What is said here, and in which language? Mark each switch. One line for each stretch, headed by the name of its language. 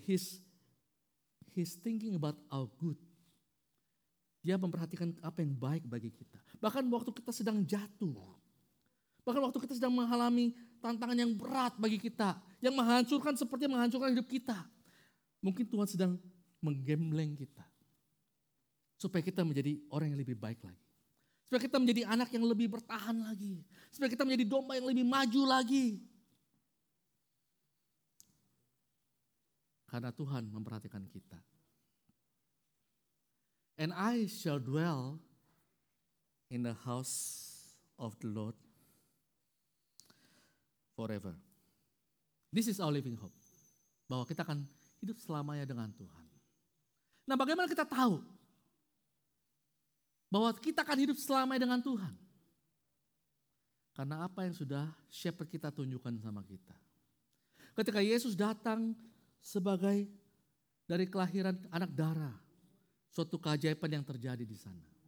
English: He's thinking about our good.
Indonesian: Dia memperhatikan apa yang baik bagi kita. Bahkan waktu kita sedang jatuh, bahkan waktu kita sedang mengalami tantangan yang berat bagi kita, yang menghancurkan, seperti menghancurkan hidup kita. Mungkin Tuhan sedang menggembleng kita. Supaya kita menjadi orang yang lebih baik lagi. Supaya kita menjadi anak yang lebih bertahan lagi. Supaya kita menjadi domba yang lebih maju lagi. Karena Tuhan memperhatikan kita.
English: And I shall dwell in the house of the Lord forever. This is our living hope.
Indonesian: Bahwa kita akan hidup selamanya dengan Tuhan. Nah, bagaimana kita tahu bahwa kita akan hidup selamanya dengan Tuhan? Karena apa yang sudah shepherd kita tunjukkan sama kita. Ketika Yesus datang sebagai dari kelahiran anak dara, suatu keajaiban yang terjadi di sana.